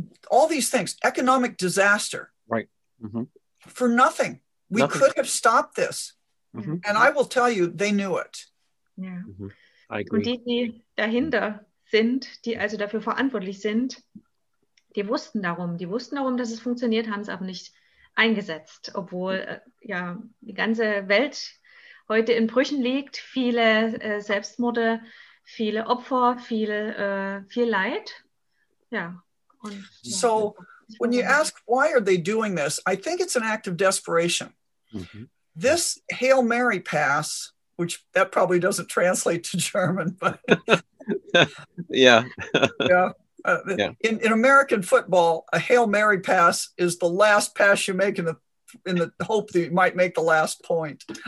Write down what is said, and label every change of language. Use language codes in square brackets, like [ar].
[en] All these things, economic disaster. Right. Mm-hmm. For nothing. We nothing. Could have stopped this. Mm-hmm. And I will tell you, they knew it. Yeah. Mm-hmm. I agree. [de] Und die dahinter sind, die also dafür verantwortlich sind, die wussten darum. Die wussten darum, dass es funktioniert, haben es aber nicht eingesetzt. Obwohl die ganze Welt heute in Brüchen liegt, viele Selbstmorde, viele Opfer, viel Leid. Ja. [en] So when you ask why are they doing this, I think it's an act of desperation. Mm-hmm. This Hail Mary pass, which that probably doesn't translate to German, but yeah. Yeah. In American football, a Hail Mary pass is the last pass you make in the hope that you might make the last point.